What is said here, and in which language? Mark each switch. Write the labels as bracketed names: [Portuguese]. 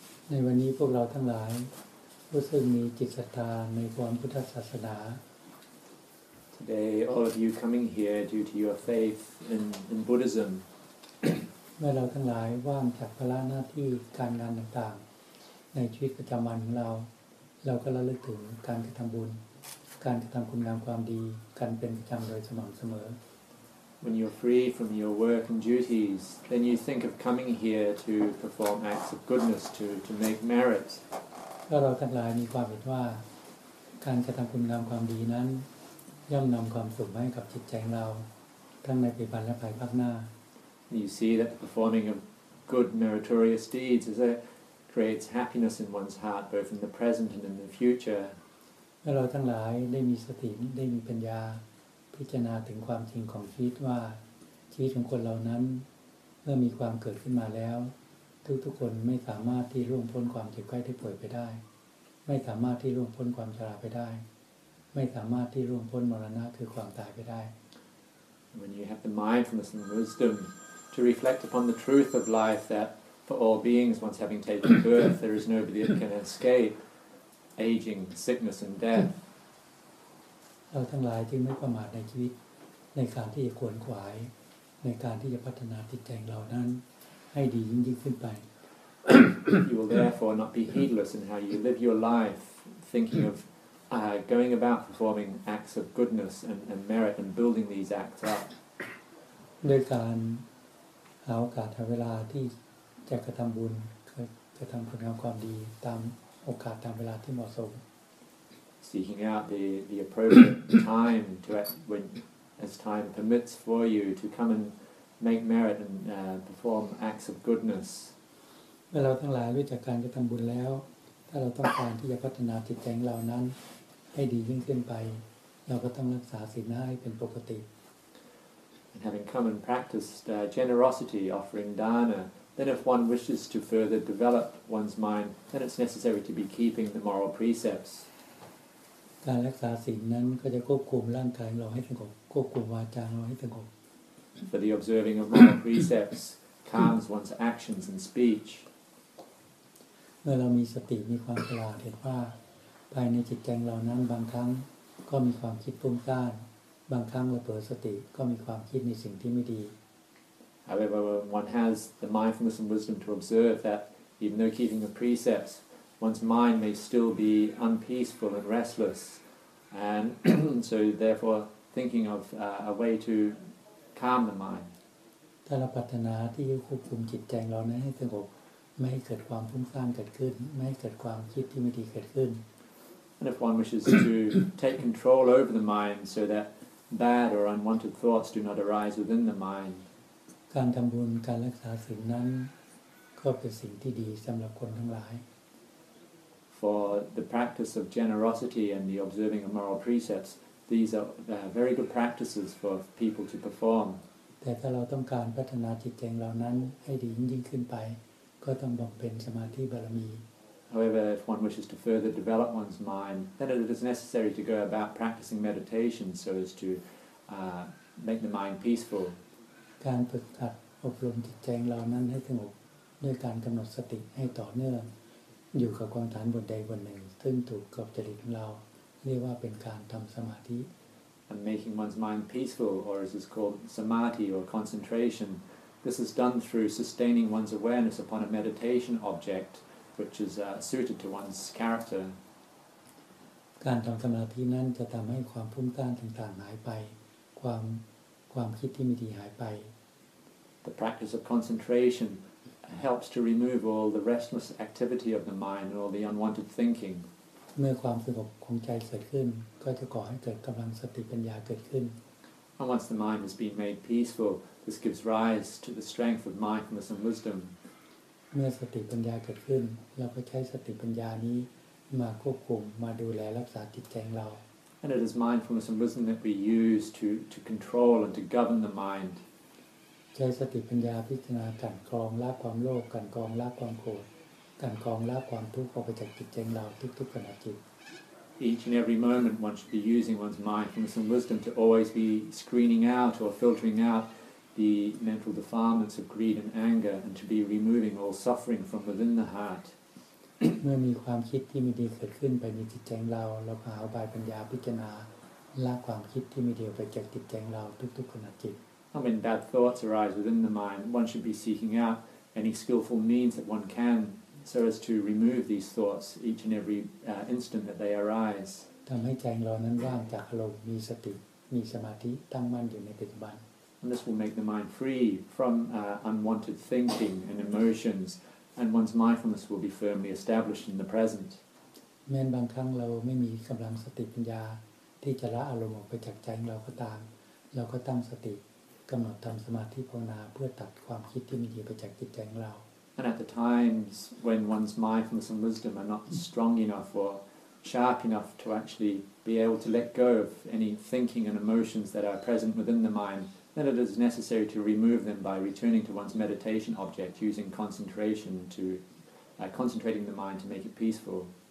[Thai] ในวันนี้พวกเราทั้งหลายผู้ซึ่งมีจิตศรัทธาในความพุทธศาสนา [English] Today all of you coming here due to your faith in Buddhism [Thai] เมื่อเราทั้งหลายว่างจากภาระหน้าที่การงานต่างๆในชีวิตประจำวันของเราเราก็ระลึกถึงการกระทำบุญการกระทำคุณงามความดีกันเป็นประจำโดยสม่ำเสมอ [English] When you're free from your work and duties, then you think of coming here to perform acts of goodness, to make merit. [Thai] เราทั้งหลายมีความเห็นว่าการกระทำคุณงามความดีนั้นย่อมนำความสุขให้กับจิตใจของเราทั้งในปัจจุบันและภายภาคหน้า [English] You see that the performing of good meritorious deeds is it creates happiness in one's heart, both in the present and in the future. [Thai] เราทั้งหลายได้มีสติได้มีปัญญาพิจารณาถึงความจริงของชีวิตว่าชีวิตของคนเรานั้นเมื่อมีความเกิดขึ้นมาแล้วทุกคนไม่สามารถที่ร่วงพ้นความเจ็บไข้ที่ป่วยไปได้ไม่สามารถที่ร่วงพ้นความชราไปได้ไม่สามารถที่ร่วงพ้นมรณะคือความตายไปได้ [English] When you have the mindfulness and wisdom to reflect upon the truth of life that for all beings once having taken birth there is nobody that can escape aging sickness and death [Thai] เราทั้งหลายจึงไม่ประมาทในชีวิตในการที่จะขวนขวายในการที่จะพัฒนาจิตใจของเรานั้นให้ดียิ่งขึ้นไป [English] You will therefore not be heedless in how you live your life thinking of going about performing acts of goodness and merit and building these acts up [Thai] ด้วยการหาโอกาสหาเวลาที่จะกระทำบุญกระทำคุณงามความดีตามโอกาสตามเวลาที่เหมาะสม [English] seeking out the appropriate time to when as time permits for you to come and make merit and perform acts of goodness [Thai] เมื่อเราทั้งหลายรู้จักการกระทำบุญแล้วถ้าเราต้องการที่จะพัฒนาจิตใจเรานั้นให้ดียิ่งขึ้นไปเราก็ต้องรักษาศีลให้เป็นปกติ [English] and having come and practiced generosity offering dana then if one wishes to further develop one's mind then it's necessary to be keeping the moral precepts. [Thai] การรักษาศีลนั้นก็จะควบคุมร่างกายเราให้สงบควบคุมวาจาเราให้สงบ [English] For the observing of moral precepts calms one's actions and speech [Thai] เมื่อเรามีสติมีความฉลาดเห็นว่าภายในจิตใจเรานั้นบางครั้งก็มีความคิดฟุ้งซ่านบางครั้งเราเปิดสติก็มีความคิดในสิ่งที่ไม่ดี [English] However when one has the mindfulness and wisdom to observe that even though keeping the precepts one's mind may still be unpeaceful and restless and so therefore thinking of a way to calm the mind [Thai] ถ้าเราปรารถนาที่จะควบคุมจิตใจเรานั้นให้สงบไม่ให้เกิดความฟุ้งซ่านเกิดขึ้นไม่ให้เกิดความคิดที่ไม่ดีเกิดขึ้น [English] and if one wishes to take control over the mind so that bad or unwanted thoughts do not arise within the mind [Thai] การทำบุญการรักษาศีลนั้นก็เป็นสิ่งที่ดีสำหรับคนทั้งหลาย [English] For the practice of generosity and the observing of moral precepts, these are very good practices for people to perform. [Thai] แต่ถ้าเราต้องการพัฒนาจิตใจเรานั้นให้ดียิ่งขึ้นไปก็ต้องบำเพ็ญสมาธิบารมี [English] However, if one wishes to further develop one's mind, then it is necessary to go about practicing meditation so as to make the mind peaceful. [Thai] การฝึกหัดอบรมจิตใจเรานั้นให้สงบด้วยการกำหนดสติให้ต่อเนื่องอยู่กับความฐานบทใดบทหนึ่งซึ่งถูกกับจริตของเราเรียกว่าเป็นการทำสมาธิ [English] and making one's mind peaceful or as is called samadhi or concentration this is done through sustaining one's awareness upon a meditation object which is suited to one's character [Thai] การทำสมาธินั้นจะทำให้ความฟุ้งซ่านต่างๆหายไปความคิดที่ไม่ดีหายไป [English] the practice of concentrationhelps to remove all the restless activity of the mind and all the unwanted thinking [Thai] เมื่อความสงบของใจเกิดขึ้นก็จะก่อให้เกิดกำลังสติปัญญาเกิดขึ้น [English] and once the mind has been made peaceful this gives rise to the strength of mindfulness and wisdom [Thai] เมื่อสติปัญญาเกิดขึ้นเราก็ใช้สติปัญญานี้มาควบคุมมาดูแลรักษาจิตใจเรา [English] and it is mindfulness and wisdom that we use to control and to govern the mind [Thai] ใช้สติปัญญาพิจารณากันกรองละความโลภกันกรองละความโกรธกันกรองละความทุกข์ออกไปจากจิตใจเราทุกขณะจิต [English] Each and every moment one should be using one's mindfulness and wisdom to always be screening out or filtering out the mental defilements of greed and anger and to be removing all suffering from within the heart [Thai] เมื่อมีความคิดที่ไม่ดีเกิดขึ้นไปในจิตใจเราเราก็หาอุบายปัญญาพิจารณาละความคิดที่ไม่ดีไปจากจิตใจเราทุกๆขณะจิต [English] When bad thoughts arise within the mind, one should be seeking out any skillful means that one can so as to remove these thoughts each and every instant that they arise. [Thai] ทำให้ใจเรานั้นว่างจากอารมณ์มีสติมีสมาธิตั้งมั่นอยู่ในปัจจุบัน [English] And this will make the mind free from unwanted thinking and emotions. And one's mindfulness will be firmly established in the present. [Thai] แม้บางครั้งเราไม่มีกำลังสติปัญญาที่จะละอารมณ์ออกไปจากใจเราก็ตามเราก็ตั้งสติกำหนดทำสมาธิภาวนาเพื่อตัดความคิดที่ไม่ดีไปจากจิตใจเรา [English] And at the times when one's mindfulness and wisdom are not strong enough or sharp enough to actually be able to let go of any thinking and emotions that are present within the mind. Then it is necessary to remove them by returning to one's meditation object, using concentration to concentrating the mind to make it peaceful.